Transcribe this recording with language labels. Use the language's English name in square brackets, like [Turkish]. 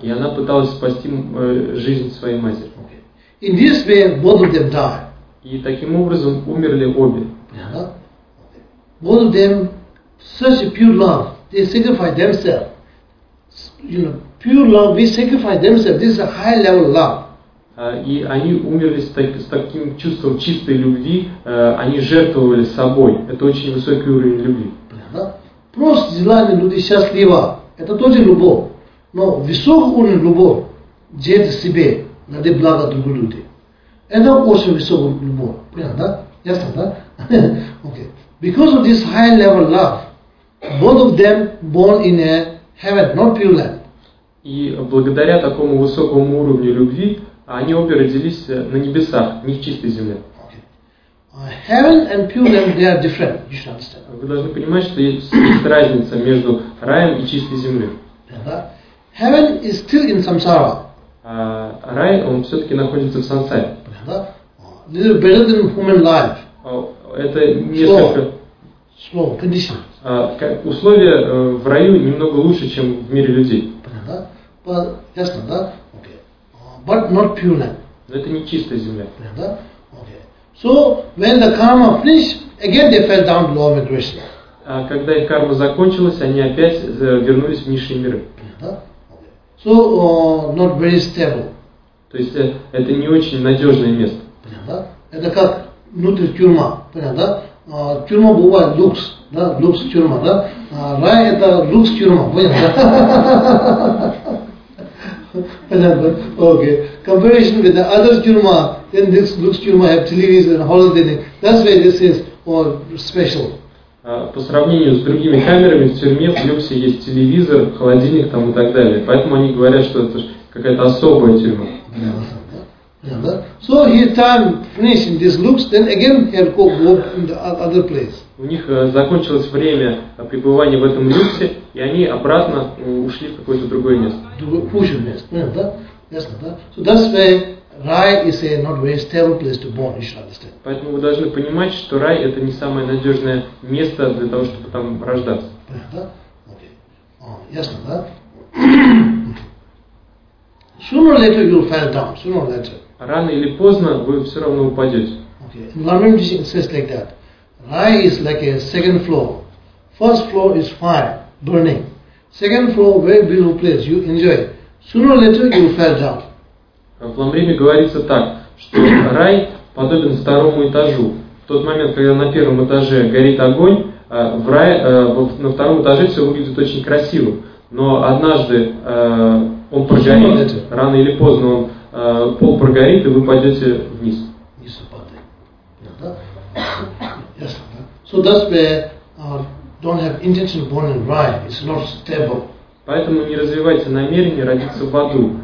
[Russian] И она пыталась спасти жизнь своей матери. [English] Okay. In this way, both of them died. [Russian] И таким образом умерли обе. [English] Yeah. Both of them, such a pure love, they sacrificed themselves. You know, pure love, we sacrifice themselves. This is a high level love. [Russian] И они умерли с таким чувством чистой любви. Они жертвовали собой. Это очень высокий уровень любви. Yeah. Просто желание люди счастливы. Это тоже любовь, но высокий уровень любовь делать себе ради блага других людей. Это очень высокий уровень любовь. Понятно, да? Ясно, да? Okay. [English] Because of this high level love, both of them born in a heaven, not pure land. [Russian] И благодаря такому высокому уровню любви, они обе родились на небесах, не в чистой земле. [English] Heaven and pure land, they are different. You should understand. [Russian] Вы должны понимать, что есть разница между раем и чистой землей. [English] Yeah, heaven is still in samsara. [Russian] Рай, он все-таки находится в сансаре. [English] Yeah, little better than human life. [Russian] Это несколько [English] slow condition. [Russian] Условия в раю немного лучше, чем в мире людей. Ясно, да? [English] Okay. But not pure land. [Russian] Но это не чистая земля. [English] Yeah, so when the karma finished, again they fell down to lower vibration. [Russian] Когда их карма закончилась, они опять вернулись в низшие миры. [English] So not very stable. [Russian] То есть это не очень надежное место. Понятно? Это как внутри тюрьма. Понятно? Тюрьма бывает люкс, да, люкс тюрьма, да. Рай это люкс тюрьма. Понятно? Понятно. Okay. [English] Comparison with the other tyurma, then this looks tyurma have television and holiday. That's why this is all special. [Russian] По сравнению с другими камерами в тюрьме в люксе есть телевизор, холодильник там и так далее. Поэтому они говорят, что это какая-то особая тюрьма. [English] So his time finishing this looks, then again he had to go in the other place. [Russian] У них закончилось время пребывания в этом люксе, и они обратно ушли в какое-то другое место. Другое место, понятно, да? Ясно, да? [English] So that's why Rai is a not very stable place to born, you should understand. [Russian] Поэтому вы должны понимать, что рай это не самое надежное место для того, чтобы там рождаться. Да? Okay. Ясно, да? [English] Sooner or later you'll fall down. Sooner or later. [Russian] Рано или поздно вы все равно упадете. [English] Okay. Enlightenment teaching says like that. Rai is like a second floor. First floor is fire, burning. Second floor, very beautiful place, you enjoy. Sooner or later you fall down. [Russian] В Ламриме говорится так, что рай подобен второму этажу. В тот момент, когда на первом этаже горит огонь, в рай, на втором этаже все выглядит очень красиво. Но однажды он прогорит, рано или поздно он пол прогорит, и вы пойдете вниз. Вниз упадет. Ясно, да? [English] So that's where don't have intention born in rai, it's not stable. [Russian] Поэтому не развивайте намерение родиться в аду.